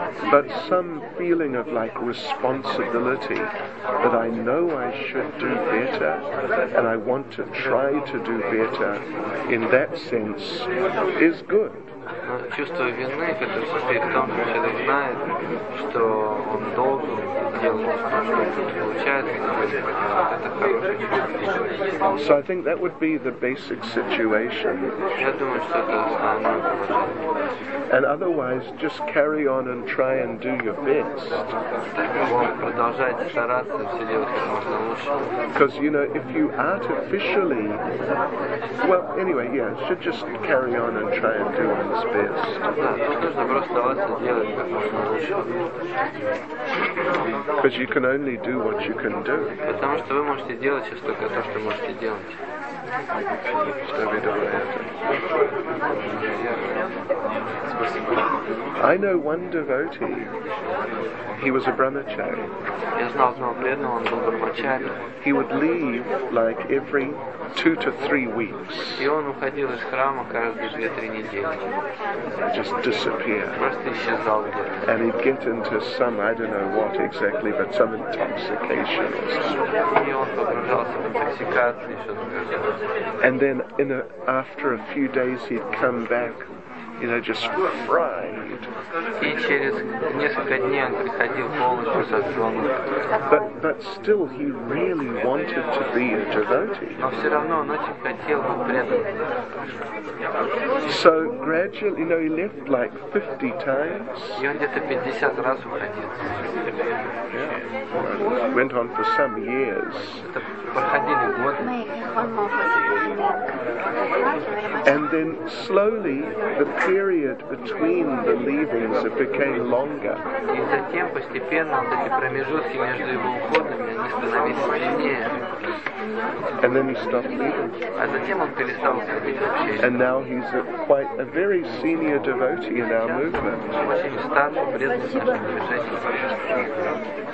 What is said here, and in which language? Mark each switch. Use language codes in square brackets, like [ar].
[en] But some feeling of like responsibility, that I know I should do better and I want to try to do better, in that sense, is good. [ru] Чувство вины, которое состоит в том, что человек знает, что он должен делать, что он получает, это хорошее чувство. [en] So I think that would be the basic situation. [ru] Я думаю, что это основное положение. [en] And otherwise, just carry on and try and do your best. [ru] Продолжайте стараться, все делать как можно лучше. [en] Because, you know, if you artificially... Well, anyway, yeah, should just carry on and try and do it. Because you can only do what you can do. [ru] Потому что вы можете делать сейчас только то, что можете делать. [en] I know one devotee. He was a brahmachari. [ru] Я знал одного преданного, он был брахмачари. [en] He would leave like every 2 to 3 weeks. [ru] И он уходил из храма каждые 2-3 недели. [en] Just disappear. [ru] Просто исчезал где-то. [en] And he'd get into some, I don't know what exactly, but some intoxication. [ru] И он погружался в интоксикацию, что-то где-то. [en] And then after a few days he'd come back, you know, just fried. [ru] И через несколько дней он приходил полностью сожженный. [en] But still he really wanted to be a devotee. [ru] Но все равно он очень хотел быть преданным. [en] So gradually, you know, he left like 50 times. [ru] И он где-то 50 раз уходил. [en] Yeah. Went on for some years. [ru] Проходили годы. [en] And then slowly the period between the leavings it became longer. [ru] И затем постепенно вот эти промежутки между его уходами они становились длиннее. [en] And then he stopped leaving. [ru] А затем он перестал уходить вообще. [en] And now he's a very senior devotee in our movement. [ru] Очень старый преданный в нашем движении.